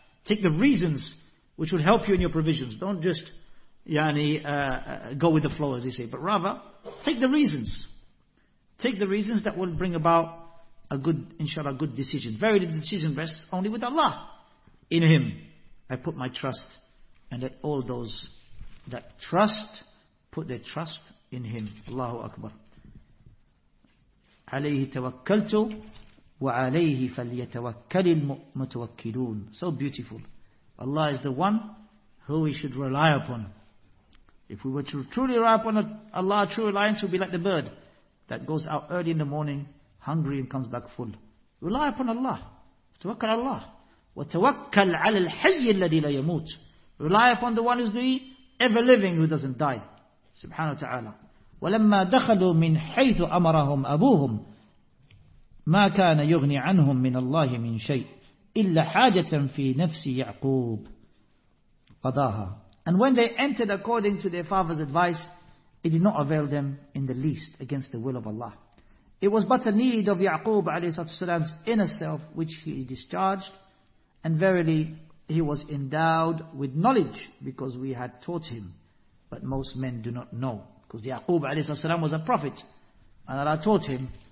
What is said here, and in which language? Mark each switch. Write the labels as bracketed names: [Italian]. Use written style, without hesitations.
[English] Take the reasons which will help you in your provisions. Don't just go with the flow, as they say, but rather take the reasons. Take the reasons that will bring about a good, inshallah, good decision. Verily, the decision rests only with Allah. In Him I put my trust, and that all those that trust put their trust in Him. Allahu Akbar. [Arabic] عليه توكلت وعليه فليتوكل المتوكلون. [English] So beautiful. Allah is the one who we should rely upon. If we were to truly rely upon Allah, true reliance would be like the bird that goes out early in the morning, hungry, and comes back full. Rely upon Allah. [Arabic] توكل الله. وتوكل على الحي الذي لا يموت. [English] Rely upon the one who is the ever living, who doesn't die. [Arabic] سبحانه وتعالى. ولما دخلوا من حيث أمرهم أبوهم ما كان يغني عنهم من الله من شيء إلا حاجة في نفس يعقوب قضاها. [English] And when they entered according to their father's advice, it did not avail them in the least against the will of Allah. It was but a need of Ya'qub alayhi salam's inner self which he discharged, and verily he was endowed with knowledge because we had taught him, but most men do not know. Because Ya'qub alayhi salam was a prophet, and Allah taught him,